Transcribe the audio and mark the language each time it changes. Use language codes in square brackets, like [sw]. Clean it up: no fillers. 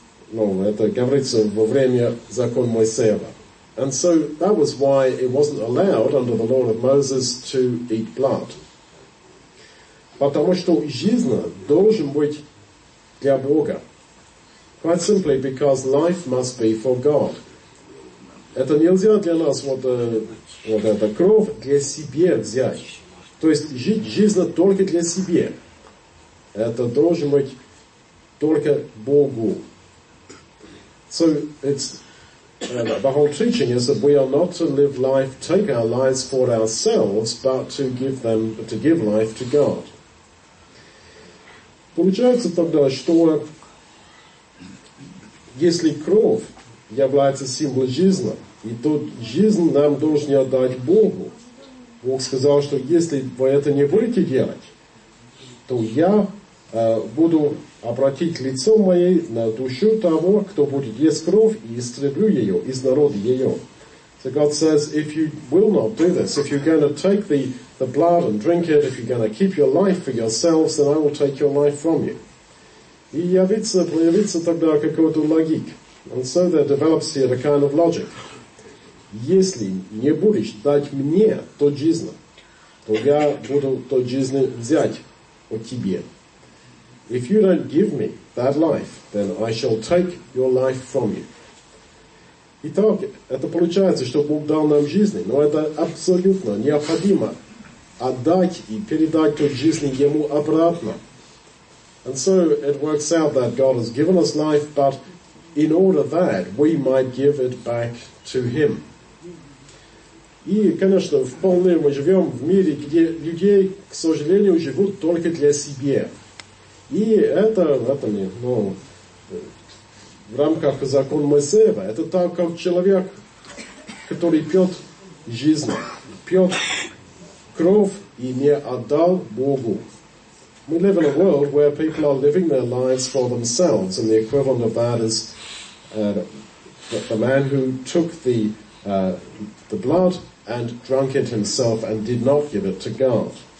[ru] Ну, это говорится во время закона Моисеева. [en] And so that was why it wasn't allowed under the law of Moses to eat blood. [ru] Потому что жизнь должен быть для Бога. [en] Quite simply because life must be for God. [ru] Это нельзя для нас, вот эта кровь для себя взять. То есть жить жизнь только для себя. Это должен быть только Богу. [en] So it's the whole teaching is that we are not to live life, take our lives for ourselves, but to give them, to give life to God. [ru] Получается тогда, что если кровь является символом жизни, и тут жизнь нам должна отдать Богу. Бог сказал, что если вы это не будете делать, то я буду обратить лицо мое на душу того, кто будет есть кровь, и истреблю ее из народа ее. [en] So God says, if you will not do this, if you're going to take the blood and drink it, if you're going to keep your life for yourselves, then I will take your life from you. [ru] И появится тогда какой-то логик. [en] And so there develops here a kind of logic. [ru] Если не будешь дать мне то жизнь, то я буду то жизнь взять у тебя. [en] If you don't give me that life, then I shall take your life from you. [ru] Итак, это получается, что Бог дал нам жизнь, но это абсолютно необходимо отдать и передать то жизнь Ему обратно. [en] And so it works out that God has given us life, but in order that we might give it back to Him. [ru] И, конечно, вполне мы живем в мире, где людей, к сожалению, живут только для себя. И это, ну, в рамках закон Моисеева, это так, как человек, который пьет жизнь, пьет кровь и не отдал Богу. [en] We live in a world where people are living their lives for themselves, and the equivalent of that is the man who took the blood and drank it himself and did not give it to God.